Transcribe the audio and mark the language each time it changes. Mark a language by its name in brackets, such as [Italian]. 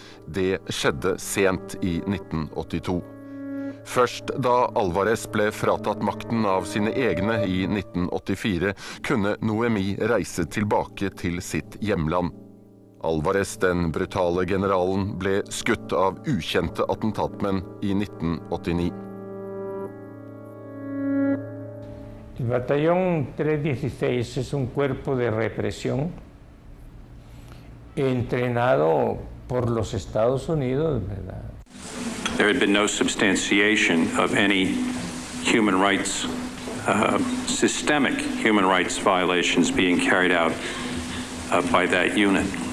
[Norwegian] Det skjedde sent i 1982. Først da Álvarez ble fratatt makten av sine egne i 1984, kunne Noemí reise tilbake til sitt hjemland. Álvarez, den brutale generalen, ble skutt av ukjente attentatmenn i 1989. [Spanish] Batallón 316 es un cuerpo de represión entrenado por los Estados Unidos, ¿verdad? [English] There had been no substantiation of any human rights, systemic human rights violations being carried out by that unit.